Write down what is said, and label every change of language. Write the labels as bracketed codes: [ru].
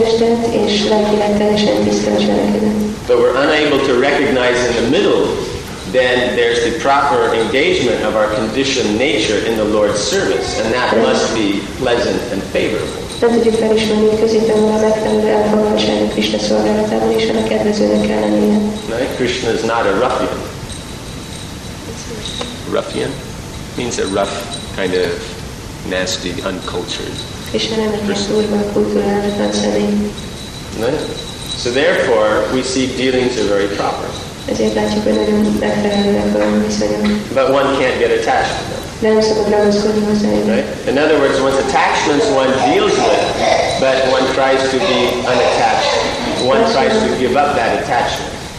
[en] But we're unable to recognize in the middle, then there's the proper engagement of our conditioned nature in the Lord's service, and that must be pleasant and favorable. [hu] Nem tudjuk felismerni, hogy középen van a megfelelő elfoglaltság a Krishna szolgálatában, és ennek kedvezőnek kell lennie. [en] Krishna is not a ruffian. Ruffian? Means a rough, kind of nasty, uncultured. [hu] Krishna nem egy durva, kultúrálatlan személy. [en] So therefore, we see dealings are very proper. [hu] Ezért látjuk, hogy nagyon megfelelőnek van viszonyom. [en] But one can't get attached to them. Right? In other words, one's attachments one deals with, but one tries to be unattached. One tries to give up that attachment.